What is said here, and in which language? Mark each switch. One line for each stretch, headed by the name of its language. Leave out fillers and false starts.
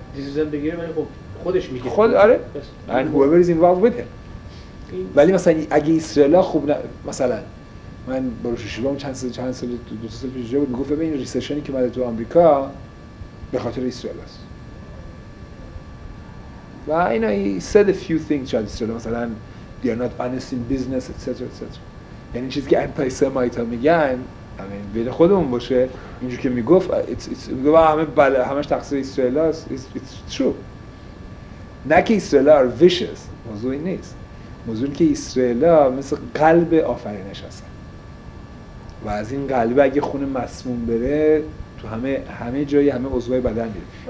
Persian: دیزیزن بگیره ولی خب خودش میگه خود آره بس. ولی مثلا اگه اسرائیل خوب نه مثلا من بروش شیبام چند سال دو سه سال پیش بود میگفت ببین ریسشنی که اومده تو آمریکا به خاطر اسرائیل است. و اینا
English: he said a few things about Israel. مثلا they are not honest in business etc etc.
Persian: یعنی چیزی که انتای سمایت ها میگن همین بین خودمون باشه اینجور که میگفت میگفت همه بله همش تقصیر اسرائیل است.
English: It's true.
Persian: نه که اسرائیل ها
English: are vicious.
Persian: موضوع این نیست. موضوع این که اسرائیل ها مثل قلب آفرینش هستن و از این قلب اگه خون مسموم بره تو همه جای همه عضوهای بدن میره.